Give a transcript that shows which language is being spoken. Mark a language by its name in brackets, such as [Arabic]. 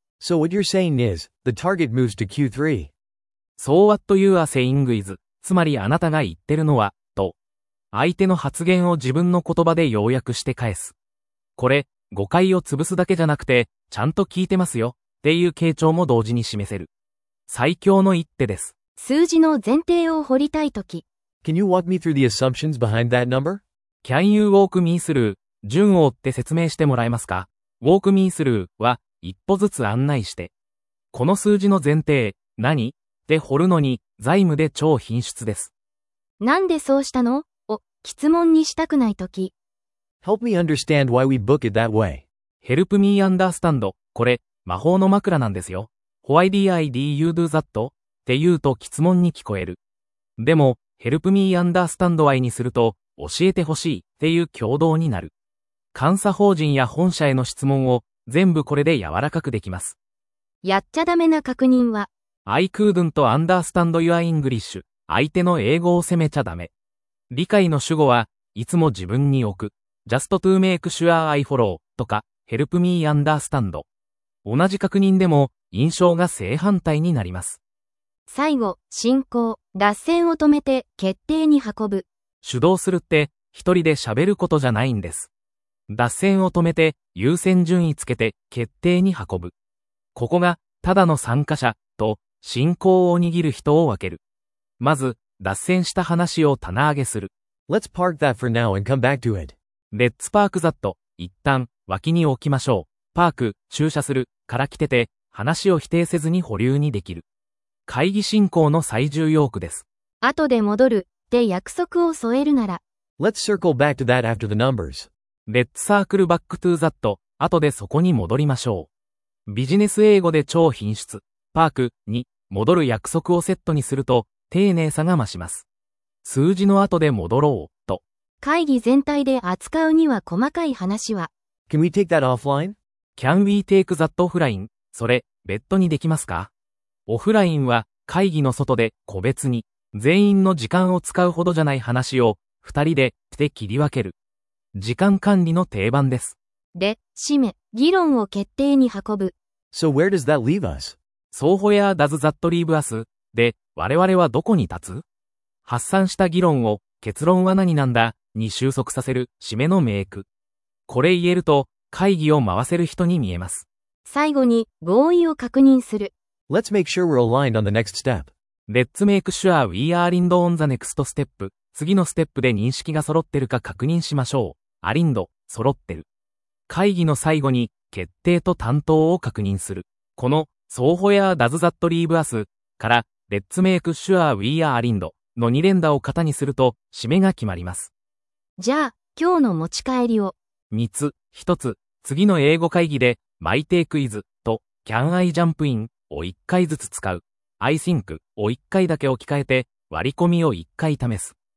[English] So what you're saying is, the target moves to Q3. So what you are saying is, [Japanese] つまりあなたが言ってるのは、と。相手の発言を自分の言葉で要約して返す。これ、誤解を潰すだけじゃなくて、ちゃんと聞いてますよ、っていう傾聴も同時に示せる。最強の一手です。数字の前提を掘りたいとき。 [English] Can you walk me through the assumptions behind that number? Can you walk me through? [Japanese] 順を追って説明してもらえますか? [English] Walk me through [Japanese] は、一歩ずつ案内して。この数字の前提、何?って掘るのに、財務で超品質です。なんでそうしたの? を、質問にしたくないとき。 [English] Help me understand why we book it that way. Help me understand. [Japanese] これ、魔法の枕なんですよ。 [English] Why did you do that? [Japanese] って言うと質問に聞こえる。でも、 [English] help me understand why [Japanese] にすると、教えてほしいっていう共同になる。監査法人や本社への質問を全部これで柔らかくできます。やっちゃダメな確認は、 [English] I couldn't understand your English。 [Japanese] 相手の英語を責めちゃダメ。理解の主語はいつも自分に置く。 [English] Just to make sure I follow とか、help me understand。 [Japanese] 同じ確認でも印象が正反対になります。最後、進行、脱線を止めて、決定に運ぶ。主導するって、一人で喋ることじゃないんです。脱線を止めて、優先順位つけて、決定に運ぶ。ここが、ただの参加者、と、進行を握る人を分ける。まず、脱線した話を棚上げする。 [English] Let's park that for now and come back to it. Let's park that. [Japanese] 一旦、脇に置きましょう。パーク、駐車する、から来てて、話を否定せずに保留にできる。会議進行の最重要句です。後で戻る、って約束を添えるなら。 [English] Let's circle back to that after the numbers. Let's circle back to that. [Japanese] 後でそこに戻りましょう。ビジネス英語で超品質。パークに戻る約束をセットにすると丁寧さが増します。数字の後で戻ろうと。会議全体で扱うには細かい話は。 [English] Can we take that offline? Can we take that offline? [Japanese] それ、別途にできますか？オフラインは会議の外で個別に全員の時間を使うほどじゃない話を二人でって切り分ける。時間管理の定番です。で、締め、議論を決定に運ぶ。 [English] So where does that leave us? So where does that leave us? [Japanese] で、我々はどこに立つ？発散した議論を、結論は何なんだ？に収束させる、締めの名句。これ言えると、会議を回せる人に見えます。最後に、合意を確認する。 [English] Let's make sure we're aligned on the next step. Let's make sure we are aligned on the next step. [Japanese] 次のステップで認識が揃ってるか確認しましょう。 aligned、揃ってる。会議の最後に、決定と担当を確認する。 [English] この、So where does that leave us? [Japanese] から、 [English] Let's make sure we are aligned [Japanese] の2連打を型にすると、締めが決まります。じゃあ、今日の持ち帰りを。 3つ、1つ、次の英語会議で、 [English] My take is [Japanese] と、 [English] Can I jump in [Japanese] を1回ずつ使う。 I think を1回だけ置き換えて、割り込みを1回試す。